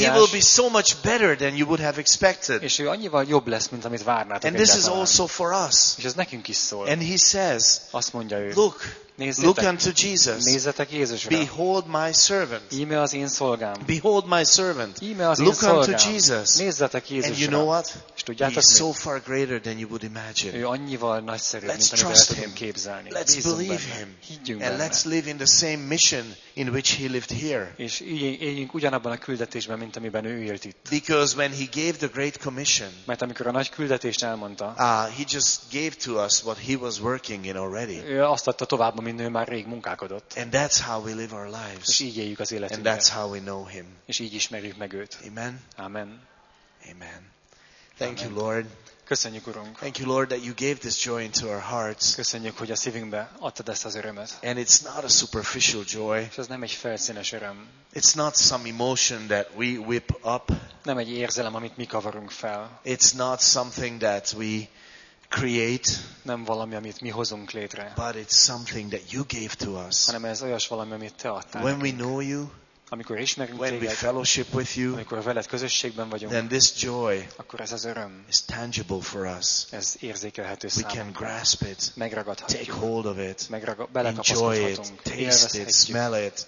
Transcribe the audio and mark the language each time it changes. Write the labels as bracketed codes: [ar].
[en] And he will be so much better than you would have expected. [hu] És ő annyival jobb lesz, mint amit várnátok egyáltalán. [en] And this is also for us. [hu] És ez nekünk is szól. [en] And he says, [hu] azt mondja ő, [en] look. [hu] Nézzétek, [en] look unto Jesus. [hu] Nézzetek Jézusra. [en] Behold my servant. [hu] Íme az én szolgám. [en] Behold my servant. [hu] Íme az [en] look [hu] én szolgám. [en] Unto Jesus. [hu] Nézzetek Jézusra. [en] And you know what? [hu] És tudjátok mit? [en] He is so far greater than you would imagine. [hu] Ő annyival nagyszerűbb, [en] let's [hu] mint amivel tudom képzelni. [en] Let's believe him. [hu] Higgyünk benne. [en] And let's live in the same mission in which he lived here. [hu] És éljünk ugyanabban a küldetésben, mint amiben ő élt itt. [en] Because when he gave the great commission, [hu] mert amikor a nagy küldetést elmondta, [en] he just gave to us what he was working in already. [hu] Ő azt adta tovább, amin ő már rég munkálkodott. [en] And that's how we live our lives. [hu] És így éljük az életünket. [en] And that's how we know him. [hu] És így ismerjük meg őt. [en] Amen. [hu] Amen. [en] Amen. Thank you, Lord. [hu] Köszönjük, Urunk. [en] Thank you, Lord, that you gave this joy into our hearts. [hu] Köszönjük, hogy a szívünkbe adtad ezt az örömet. [en] And it's not a superficial joy. [hu] És ez nem egy felszínes öröm. [en] It's not some emotion that we whip up. [hu] Nem egy érzelem, amit mi kavarunk fel. [en] It's not something that we create, [hu] nem valami, amit mi hozunk létre, [en] but it's something that you gave to us. [hu] Hanem ez olyas valami, amit te adtál [en] when [hu] nekünk. [en] We know you, [hu] amikor ismerünk téged, [en] when we fellowship with you, [hu] amikor veled közösségben vagyunk, [en] then this joy, [hu] akkor ez az öröm, [en] is tangible for us. [hu] Ez érzékelhető számunkra. [en] We can grasp it, [hu] megragadhatjuk, [en] take hold of it, [hu] belekapaszkodhatunk, [en] enjoy it, taste it, smell it,